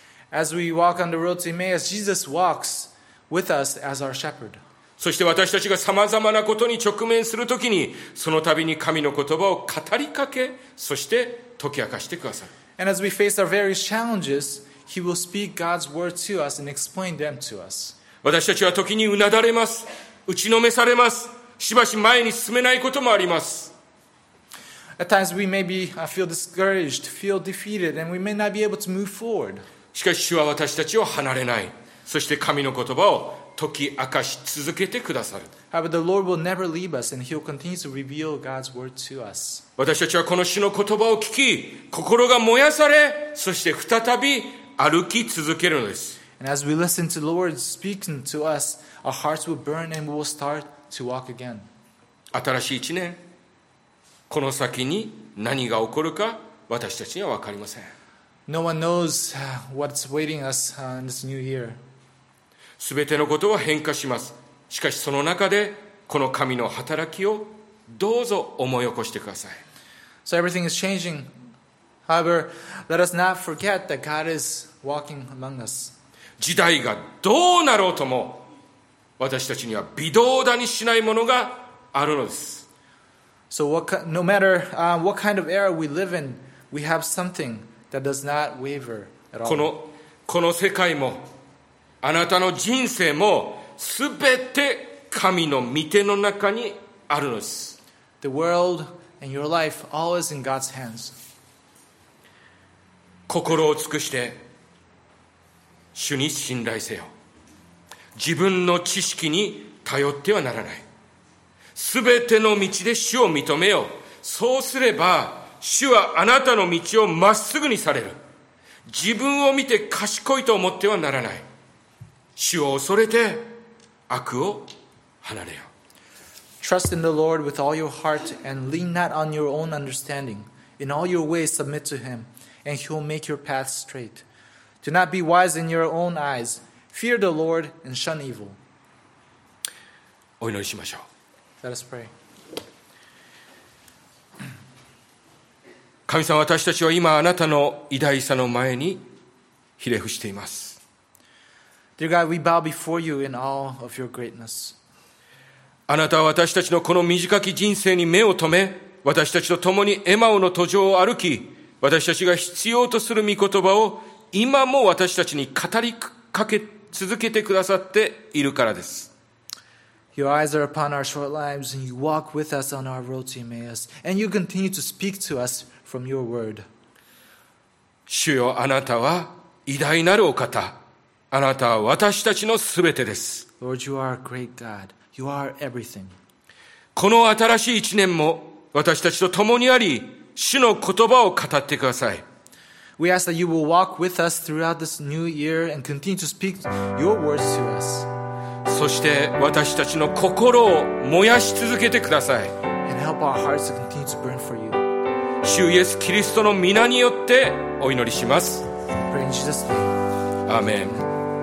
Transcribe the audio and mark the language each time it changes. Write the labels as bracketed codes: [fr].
[en] As we walk on the road to Emmaus, Jesus walks with us as our shepherd. [ja] そして私たちがさまざまなことに直面するときに、その度に神の言葉を語りかけ、そして解き明かしてくださる。 [en] And as we face our various challenges, He will speak God's word to us and explain them to us. [ja] 私たちは時にうなだれます、打ちのめされます、しばし前に進めないこともあります。 [en] At times we may be feel discouraged, feel defeated, and we may not be able to move forward. [ja] しかし主は私たちを離れない。そして神の言葉を解き明かし続けてくださる。 [en] However, the Lord will never leave us, and He'll continue to reveal God's word to us. [ja] 私たちはこの主の言葉を聞き、心が燃やされ、そして再び歩き続けるのです。 [en] And as we listen to the Lord speaking to us, our hearts will burn and we will start to walk again. [ja] 新しい一年、この先に何が起こるか私たちには分かりません。 [en] No one knows what's waiting us in this new year. [ja] 全てのことは変化します。しかしその中でこの神の働きをどうぞ思い起こしてください。 [en] So everything is changing. However, let us not forget that God is walking among us. [ja] 時代がどうなろうとも、私たちには微動だにしないものがあるのです。 [en] So no matter what kind of era we live in, we have something. That does not waver at all. [ja] この世界もあなたの人生もすべて神の御手の中にあるのです。 [en] The world and your life all is in God's hands. [ja] 心を尽くして主に信頼せよ。自分の知識に頼ってはならない。すべての道で主を認めよ。そうすれば主はあなたの道をまっすぐにされる。自分を見て賢いと思ってはならない。主を恐れて悪を離れよ。 [en] Trust in the Lord with all your heart and lean not on your own understanding. In all your ways submit to Him, and He will make your path straight. Do not be wise in your own eyes. Fear the Lord and shun evil. [ja] お祈りしましょう。 [en] Let us pray. [ja] 神様、私たちは今あなたの偉大さの前にひれ伏しています。 [en] Dear God, we bow before you in awe of your greatness. [ja] あなたは私たちのこの短き人生に目を留め、私たちと共にエマオの途上を歩き、私たちが必要とする御言葉を今も私たちに語りかけ続けてくださっているからです。 [en] Your eyes are upon our short lives, and you walk with us on our road to Emmaus, and you continue to speak to us. From your word. [ja] 主よ、あなたは偉大なるお方。あなたは私たちのすべてです。 [en] Lord, you are a great God. You are everything. [ja] この新しい一年も私たちと共にあり、主の言葉を語ってください。 [en] We ask that you will walk with us throughout this new year and continue to speak your words to us. [ja] そして私たちの心を燃やし続けてください。 [en] And help our hearts to continue to burn for you. [ja] 主イエスキリストの御名によってお祈りします。アーメン。